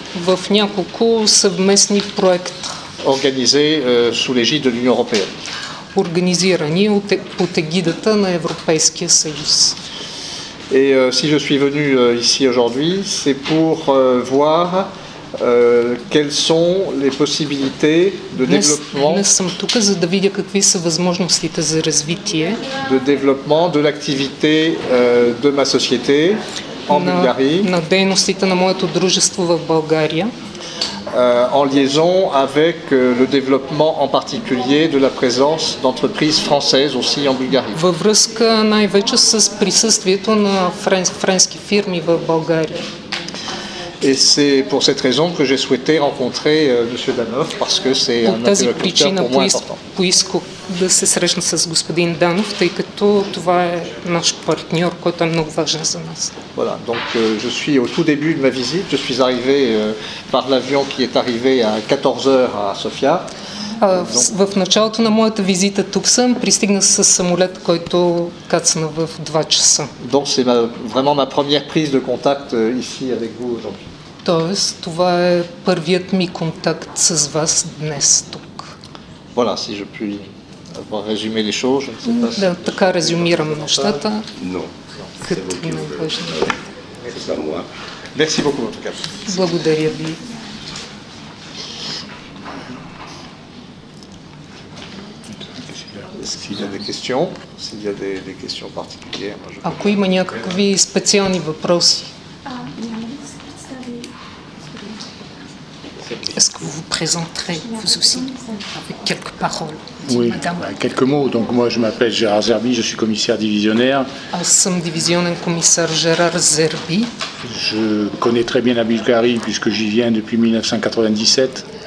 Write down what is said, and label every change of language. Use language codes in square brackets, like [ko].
[bg] В няколко съвместни проекти. [fr] Organisé sous l'égide de l'Union européenne. [bg] Организирани под егидата на Европейския съюз. [fr] Et si je suis venu ici aujourd'hui, c'est pour voir quelles sont les possibilités de développement. [bg] Не съм тук, за да видя какви са възможностите за развитие. [fr] De développement de l'activité de ma société en Bulgarie. [bg] На дейностите на моето дружество в България. [fr] En liaison avec le développement en particulier de la présence d'entreprises françaises aussi en Bulgarie. [bg] Във връзка най-вече с присъствието на френски фирми в България. [fr] Et c'est pour cette raison que j'ai souhaité rencontrer M. Danov, parce que c'est un interlocuteur pour moi important. [bg] Да се срещна с господин Данов, тъй като това е наш партньор, който е много важен за нас. [fr] Voilà, donc je suis au tout début de ma visite, je suis arrivé par l'avion qui est arrivé à 14h à Sofia. [bg] В началото на моята визита тук съм, пристигна със самолет, който кацна в 2 часа. [fr] Donc c'est vraiment ma première prise de contact ici avec vous aujourd'hui. [bg] Тоест, това е първият ми контакт с вас днес тук. [fr] Voilà, si je puis avoir résumé les choses, je ne sais pas. [bg] Да, si така резюмирам нещата. [fr] Non. C'est pas moi. Merci beaucoup en tout cas. [bg] Благодаря ви. [fr] S'il y a des questions, s'il y a des questions particulières, moi je. [bg] Ако има някакви специални въпроси. [fr] Est-ce que vous vous présenterez vous aussi avec quelques paroles? Oui, quelques mots. Donc moi, je m'appelle Gérard Zerbi, je suis commissaire divisionnaire. Sommes divisionnaire commissaire Gérard Zerbi. Je connais très bien la Bulgarie puisque j'y viens depuis 1997.